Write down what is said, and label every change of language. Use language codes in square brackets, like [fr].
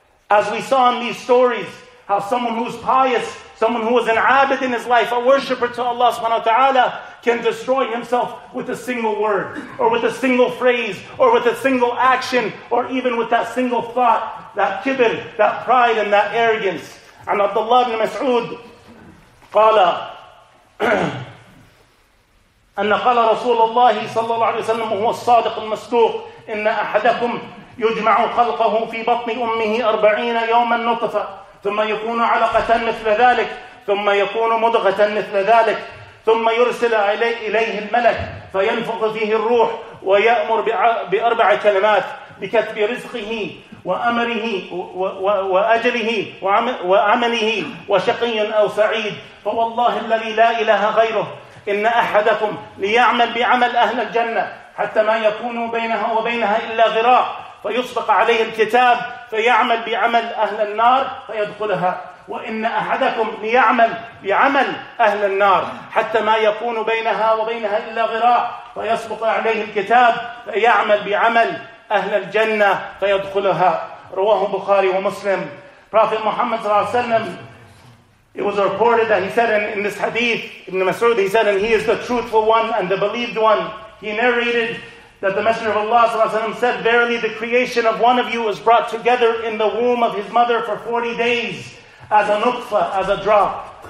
[en] As we saw in these stories, how someone who's pious, someone who was an abid in his life, a worshipper to Allah subhanahu wa ta'ala, can destroy himself with a single word, or with a single phrase, or with a single action, or even with that single thought, that kibir, that pride and that arrogance. [ar] And Abdullah ibn Mas'ud, قال أن قال رسول الله صلى الله عليه وسلم هو الصادق المصدوق إن أحدكم يجمع خلقه في بطن أمه 40 يوما نطفة ثم يكون علقة مثل ذلك ثم يكون مضغة مثل ذلك ثم يرسل إليه الملك فينفخ فيه الروح ويأمر بأربع كلمات بكتب رزقه وأمره وأجله وعمله وشقي أو سعيد فوالله الذي لا إله غيره إن أحدكم ليعمل بعمل أهل الجنة حتى ما يكون بينها وبينها إلا ذراع فيسبق عليه الكتاب فيعمل بعمل أهل النار فيدخلها وإن أحدكم ليعمل بعمل أهل النار حتى ما يكون بينها وبينها إلا ذراع فيسبق عليه الكتاب فيعمل بعمل أهل الجنة فيدخلها رواه البخاري ومسلم. [en] Prophet Muhammad صلى الله عليه وسلم, it was reported that he said in this hadith, Ibn Mas'ud, he said, and he is the truthful one and the believed one. He narrated that the Messenger of Allah صلى الله عليه وسلم said, verily the creation of one of you is brought together in the womb of his mother for 40 days as a nutfa, as a drop.